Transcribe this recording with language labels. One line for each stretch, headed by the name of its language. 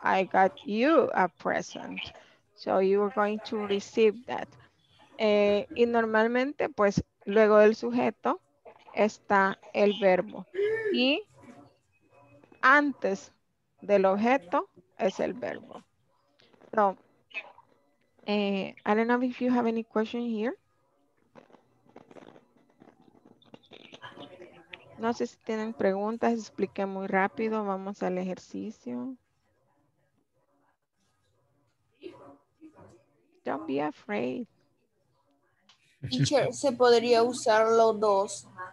English: I got you a present, so you are going to receive that.
Spanish: Y normalmente, pues, luego del sujeto está el verbo. Y antes del objeto es el verbo.
English: So, I don't know if you have any question here.
Spanish: No sé si tienen preguntas, expliqué muy rápido, vamos al ejercicio.
English: Don't be afraid.
Spanish: Teacher, ¿se podría usar los dos?